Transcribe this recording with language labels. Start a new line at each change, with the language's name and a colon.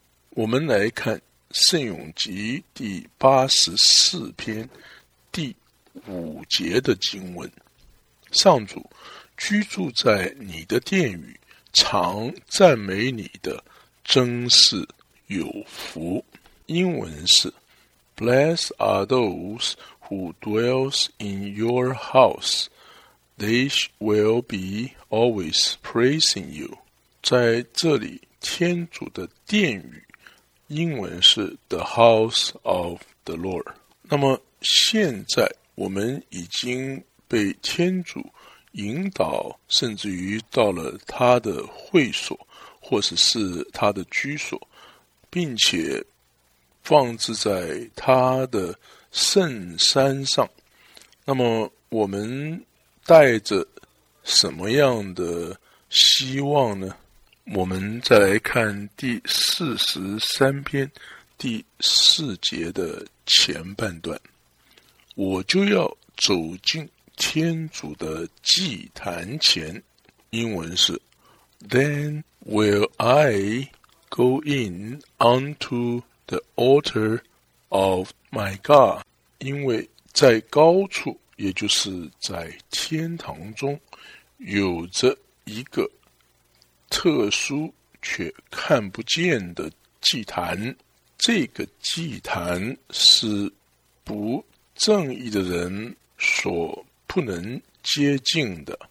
Chinese: 我们来看圣咏集第84篇第5节的经文，上主居住在你的殿宇，常赞美你的真是有福。英文是
English: Blessed are those who dwells in your house, they will be always praising you.
Chinese: 在这里天主的殿宇英文是
English: the house of the Lord。
Chinese: 那么现在我们已经被天主引导，甚至于到了他的会所或者是他的居所，并且放置在他的圣山上。那么我们带着什么样的希望呢？我们再来看第43篇第4节的前半段，我就要走进天主的祭坛前。英文是
English: Then Will I go in unto the altar of my God?
Chinese: 因为在高处，也就是在天堂中，有着一个特殊却看不见的祭坛。这个祭坛是不正义的人所不能接近的。